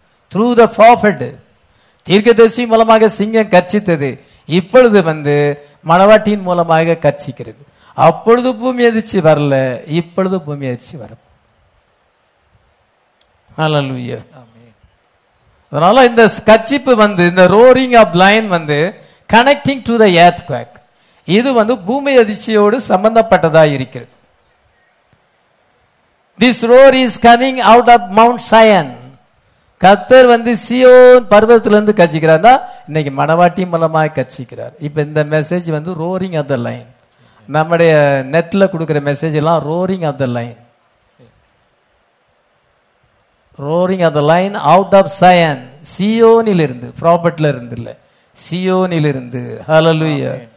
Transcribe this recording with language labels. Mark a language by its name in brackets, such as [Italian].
[English] through the prophet [Tamil] தீர்க்கதரிசி மூலமாக சிங்கம் கர்ச்சித்தது, இப்பொழுது வந்து மணவாட்டியின் மூலமாக கர்ச்சிக்கிறது. அப்பொழுது பூமி அதிர்ச்சி வரல, இப்பொழுது பூமி அதிர்ச்சி வர. ஹல்லேலூயா. அதனால இந்த கர்ச்சிப்பு வந்து இந்த [English] roaring of lion [Tamil] வந்து [English] connecting to the earthquake, [Tamil] இது வந்து பூமி அதிர்ச்சியோடு சம்பந்தப்பட்டதா இருக்கிறது. [English] This roar is coming out of Mount Zion. [Tamil] கர்த்தர் வந்து சியோன் பர்வதத்திலிருந்து கச்சிக்கிறாரா, இன்னைக்கு மனவாட்டி மூலமாக கச்சிக்கிறார். இப்போ இந்த மெசேஜ் வந்து [English] roaring of the lion, நம்முடைய நெட்டில் கொடுக்குற மெசேஜ் எல்லாம் roaring of the lion, roaring of the lion out of Zion, [Tamil] சியோனில் இருந்து, ப்ராபர்ட்டில் இருந்து இல்லை, சியோனில் இருந்து. ஹல்லேலூயா.